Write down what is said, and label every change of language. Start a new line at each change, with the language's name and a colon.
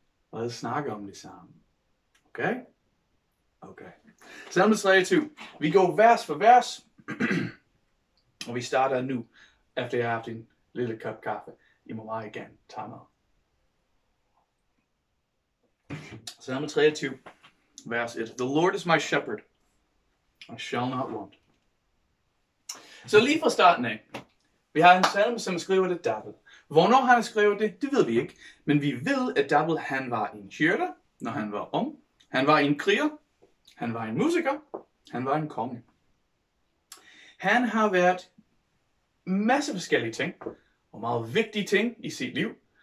Danish: Og lad os snakke om det samme. Okay? Okay. Salme 23. Vi går vers for vers. Og vi starter nu, efter jeg har haft en lille kop kaffe. I må meget gerne tage mig. Salme 23, vers 1.
English: The Lord is my shepherd, I shall not want.
Danish: Så lige fra starten af, vi har en salme, som skriver det David. Hvornår han skriver det, det ved vi ikke. Men vi ved, at David han var en hyrde, når han var ung. Han var en kriger, han var en musiker, han var en konge. Han har været masse forskellige ting, og meget vigtige ting i sit liv.